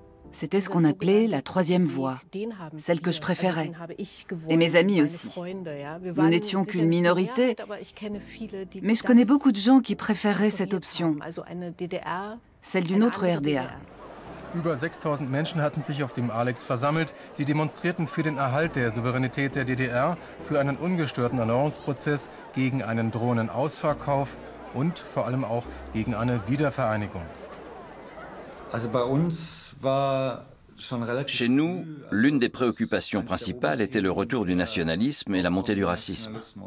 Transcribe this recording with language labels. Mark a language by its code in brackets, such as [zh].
[fr] C'était ce qu'on appelait la troisième voie, celle que je préférais, et mes amis aussi. Nous n'étions qu'une minorité, mais je connais beaucoup de gens qui préféraient cette option, celle d'une autre RDA. [de] Über 6000 Menschen hatten sich auf dem Alex versammelt. Sie demonstrierten für den Erhalt der Souveränität der DDR, für einen ungestörten Erneuerungsprozess, gegen einen drohenden Ausverkauf und vor allem auch gegen eine Wiedervereinigung. Also bei uns war schon relativ. [fr] Chez nous, l'une des préoccupations principales était le retour du nationalisme et la montée du racisme.